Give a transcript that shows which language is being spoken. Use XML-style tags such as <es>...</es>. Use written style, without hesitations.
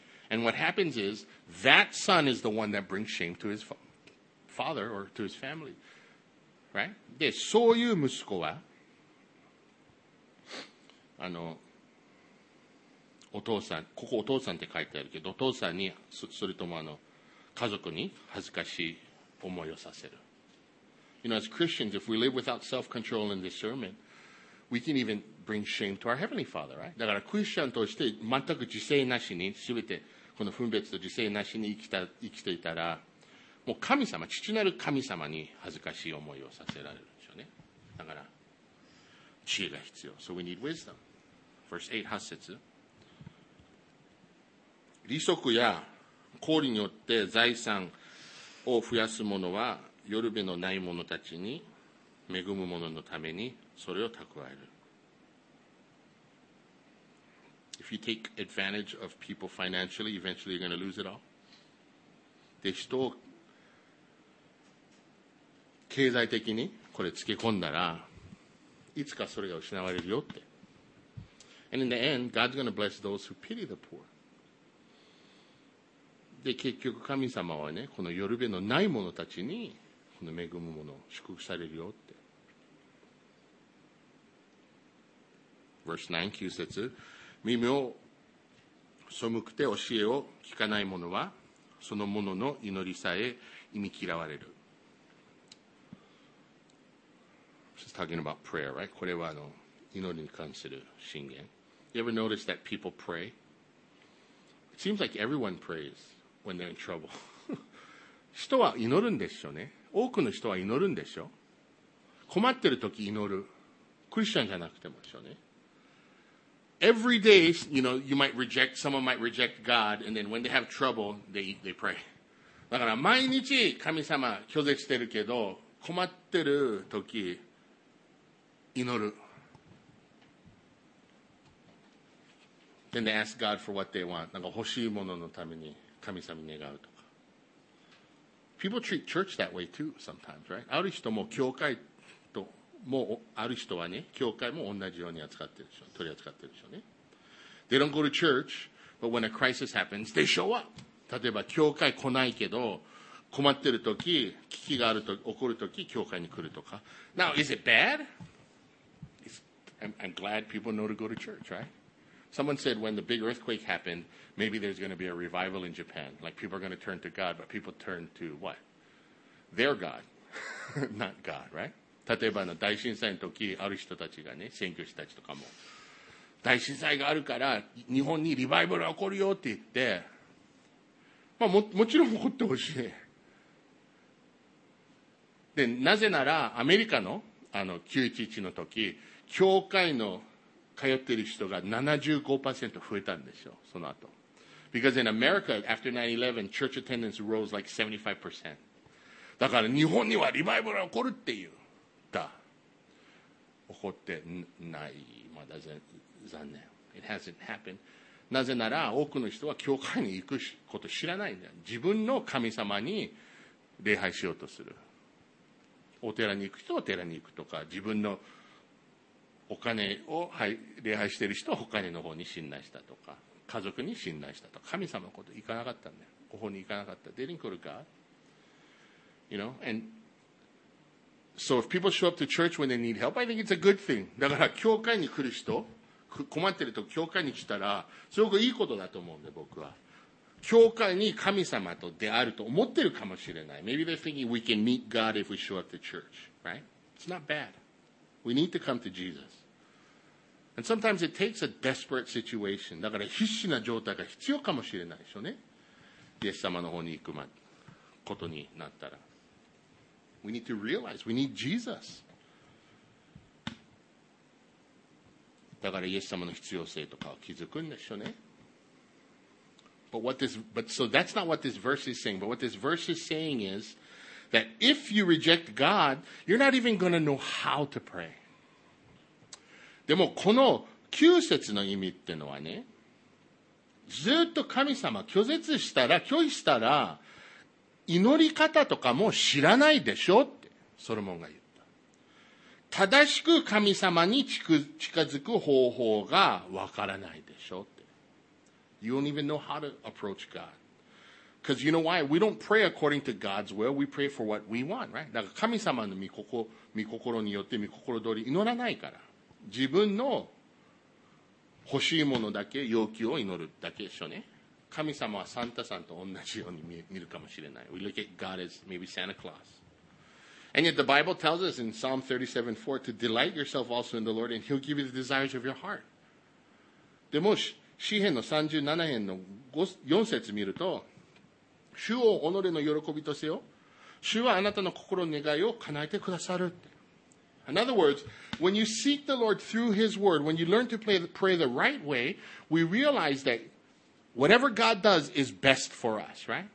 <en>And what happens is, that son is the one that brings shame to his father or to his family. Right?</en> <ja>で、そういう息子は、お父さん、ここお父さんって書いてあるけど、お父さんに、それとも家族に恥ずかしい思いをさせる。</ja> <en>You know, as Christians, if we live without self-control and discernment,We can even bring shame to our heavenly father, right?</en> <ja>だからクリスチャンとして全く自制なしに、すべてこの分別と自制なしに生きていたら、もう神様、父なる神様に恥ずかしい思いをさせられるんでしょうね。だから、知恵が必要。</ja> <en>So we need wisdom. Verse 8,</en> <ja>8節。利息や功利によって財産を増やす者は、よるべのない者たちに恵む者のために、それを蓄える。</ja> <en>If you take advantage of people financially, eventually you're going to lose it all.</en> <ja>で、人を経済的にこれつけ込んだら、いつかそれが失われるよって。</ja> <en>And in the end, God's going to bless those who pity the poor.</en> <ja>で、結局神様はね、このよるべのない者たちに、この恵むもの、祝福されるよって。</ja> <en>Verse 9,</en> <ja>9節、耳を背くて教えを聞かない者は、その者の祈りさえ忌み嫌われる。</ja> <en>She's talking about prayer, right?</en> <ja>これは祈りに関する箴言。</ja> <en>You ever notice that people pray? It seems like everyone prays when they're in trouble.</en> <ja>人は祈るんでしょうね。多くの人は祈るんでしょ。困ってる時祈る。クリスチャンじゃなくてもでしょうね。</ja> <en>Every day, you know, you might reject, someone might reject God, and then when they have trouble, they pray.</en> <ja>だから毎日神様拒絶してるけど、困ってる時祈る。</ja> <en>Then they ask God for what they want.</en> <ja>なんか欲しいもののために神様に願うとか。</ja> <en>People treat church that way too sometimes, right?</en> <ja>ある人も教会と、もうある人はね、教会も同じように扱ってるでしょ。取り扱ってるでしょね。</ja> <en>They don't go to church, but when a crisis happens, they show up.</en> <ja>例えば教会来ないけど、困ってる時、危機があると起こる時、教会に来るとか。</ja> <en>Now, is it bad? I'm glad people know to go to church, right? Someone said when the big earthquake happened, maybe there's going to be a revival in Japan. Like people are going to turn to God, but people turn to what? Their God, not God, right?</en> <ja>例えばの大震災の時、ある人たちがね、宣教師たちとかも、大震災があるから日本にリバイバルが起こるよって言って、まあ もちろん起こってほしい。で、なぜならアメリカの、911の時、教会の通ってる人が 75% 増えたんでしょ、その後。</ja> <en>Because in America, after 9/11, church attendance rose like 75%.</en> <ja>だから日本にはリバイバルが起こるっていう。だ。起こってない。まだ残念。</ja> <en>It hasn't happened.</en> <ja>なぜなら多くの人は教会に行くこと知らないんだよ。自分の神様に礼拝しようとする。お寺に行く人はお寺に行くとか、自分のお金を礼拝している人はお金の方に信頼したとか、家族に信頼したとか、神様のこと行かなかったんだよ。お方に行かなかった。</ja> <en>They didn't go to God. You know? And so if people show up to church when they need help, I think it's a good thing.</en> <ja>だから教会に来る人、困ってると教会に来たら、すごくいいことだと思うんで僕は。教会に神様と出会うと思ってるかもしれない。</ja> <en>Maybe they're thinking we can meet God if we show up to church, right? It's not bad. We need to come to Jesus. And sometimes it takes a desperate situation.</en> <ja>だから必死な状態が必要かもしれないでしょうね。イエス様の方に行くことになったら。</ja> <en>We need to realize we need Jesus.</en> <ja>だからイエス様の必要性とかを気づくんでしょうね。</ja> <en>So that's not what this verse is saying. But what this verse is saying is,That if you reject God, you're not even going to know how to pray.</en> <ja>でもこの9節の意味ってのはね、ずっと神様拒絶したら、拒否したら、祈り方とかも知らないでしょってソロモンが言った。正しく神様に近づく方法がわからないでしょって。</ja> <en>You don't even know how to approach God. Because you know why? We don't pray according to God's will. We pray for what we want, right?</en> <ja>だから神様の御心によって御心通り祈らないから。自分の欲しいものだけ、要求を祈るだけでしょうね。神様はサンタさんと同じように見るかもしれない。</ja> <en>We look at God as maybe Santa Claus. And yet the Bible tells us in Psalm 37:4 to delight yourself also in the Lord and He'll give you the desires of your heart.</en> <ja>でも詩編の37編の4節見ると、主を己の喜びとせよ。主はあなたの心の願いを叶えてくださるって。</ja> <en>In other words, when you seek the Lord through His Word, when you learn to pray the right way, we realize that whatever God does is best for us, right?</en>